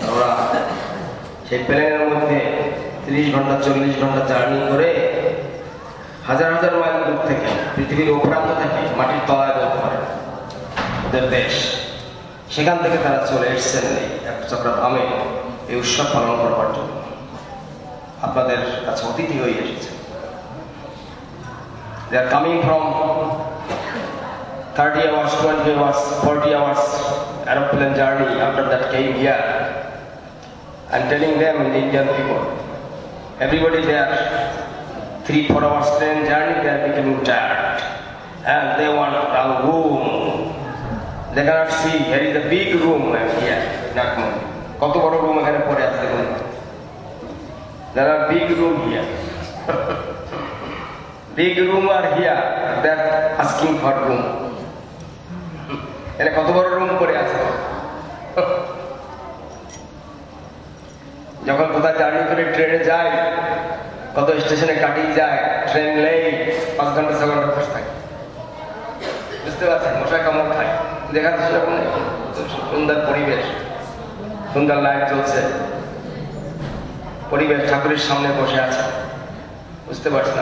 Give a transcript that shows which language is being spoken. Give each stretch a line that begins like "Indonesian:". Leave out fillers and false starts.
Bangla: ওরা সেই প্লেনের মধ্যে 30 ঘন্টা 40 ঘন্টা জার্নি করে হাজার হাজার মাইল দূর থেকে পৃথিবীর উপরান্ত থেকে মাটির তলায় বল করে ওদের দেশ, সেখান থেকে তারা চলে এসছেন এক চক্রা ধামে এই উৎসব পালন করবার জন্য আপনাদের কাছে অতিথি হয়ে এসেছে।
English: They are coming from 30 hours, 20 hours, 40 hours aeroplane journey, after that came here. I'm telling them in the Indian people, everybody there, 3-4 hours train journey, they are becoming tired. And they want a room. They cannot see, here is a big room here, Nakmo.
Bangla: Kato baro room ekhane pore ache dekhun.
English: There are big room here. Big room are here, they are asking for room.
Bangla: এটা কত বড় room করে আছে, যখন কোথায় journey করে ট্রেনে যায়, কত স্টেশনে কাটিয়ে যায়, ট্রেন লেই 5 ঘন্টা 6 ঘন্টা খুশ থাকে, বুঝতে পারছেন? মশা কামড় খায়, দেখা যাচ্ছে সুন্দর পরিবেশ, সুন্দর লাইট চলছে, পরিবেশ ঠাকুরের সামনে বসে আছে, বুঝতে পারছেন?